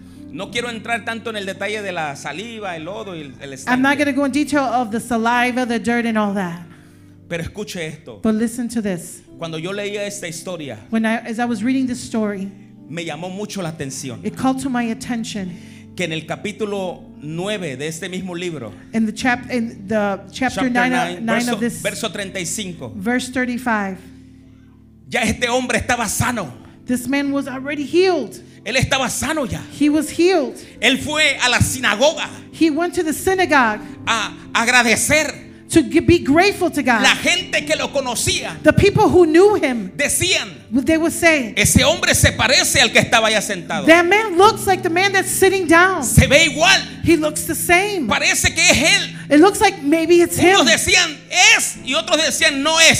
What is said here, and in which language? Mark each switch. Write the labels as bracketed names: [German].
[Spanish] No quiero entrar tanto en el detalle de la saliva, el lodo y el estanque. [English] I'm not going to go in detail of the saliva, the dirt, and all that. [Spanish] Pero escuche esto. [English] But listen to this. [Spanish] Cuando yo leía esta historia, [English] when I, as I was reading this story, [Spanish] me llamó mucho la atención. [English] It called to my attention. [Spanish] Que en el capítulo 9 de este mismo libro. [English] In chapter 9, verso [Spanish] 35. [English] Verse 35. [Spanish] Ya este hombre estaba sano. [English] This man was already healed. [Spanish] Él estaba sano ya. [English] He was healed. [Spanish] Él fue a la sinagoga. [English] He went to the synagogue. [Spanish] A agradecer. [English] To be grateful to God. [Spanish] La gente que lo conocía. [English] The people who knew him. [Spanish] Decían. [English] They would say. [Spanish] Ese hombre se parece al que estaba allá sentado. [English] That man looks like the man that's sitting down. [Spanish] Se ve igual. [English] He looks the same. [Spanish] Parece que es él. [English] It looks like maybe it's him. [Spanish] Unos decían es y otros decían no es.